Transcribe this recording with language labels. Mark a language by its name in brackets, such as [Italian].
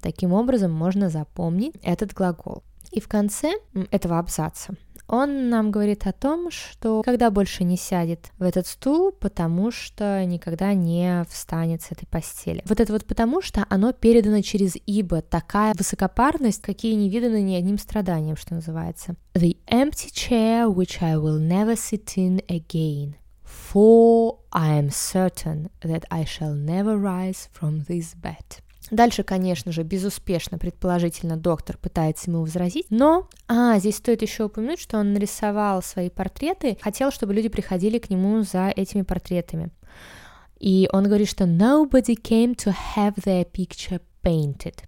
[Russian] Таким образом, можно запомнить этот глагол. И в конце этого абзаца он нам говорит о том, что никогда больше не сядет в этот стул, потому что никогда не встанет с этой постели. Вот это вот потому что оно передано через ибо. Такая высокопарность, какие не виданы ни одним страданием, что называется. [English] The empty chair, which I will never sit in again. For I am certain that I shall never rise from this bed. [Russian] Дальше, конечно же, безуспешно, предположительно, доктор пытается ему возразить, но, здесь стоит еще упомянуть, что он нарисовал свои портреты, хотел, чтобы люди приходили к нему за этими портретами. И он говорит, что [English] nobody came to have their picture painted.